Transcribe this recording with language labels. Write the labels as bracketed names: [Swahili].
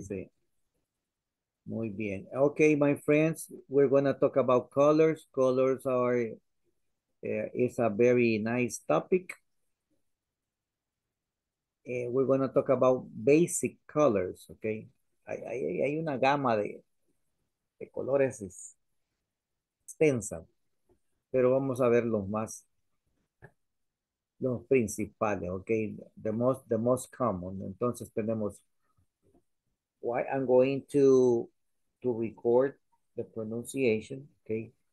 [Spanish] Sí. Muy bien. [English] Okay, my friends, we're going to talk about colors. Colors are It's a very nice topic. We're going to talk about basic colors, okay? [Spanish] Hay una gama de colores extensa, pero vamos a ver los más, los principales, okay? [English] The most common. [Spanish] Entonces tenemos, [English] I'm going to record the pronunciation, okay?